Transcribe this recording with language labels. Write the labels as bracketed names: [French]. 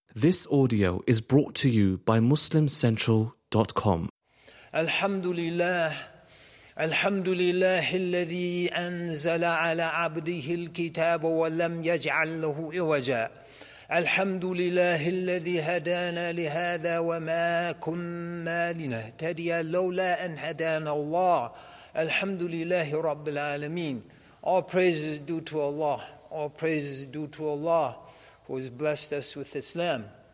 [English] This audio is brought to you by MuslimCentral.com. [Arabic] Alhamdulillah, Alhamdulillah, الذي أنزل على عبده الكتاب ولم يجعل له إوجا. الحمد لله الذي هدانا لهذا وما كنا لنهتدي لولا أن هدانا الله. الحمد لله رب العالمين. [English] All praises due to Allah. All praises due to Allah, who has blessed us with Islam.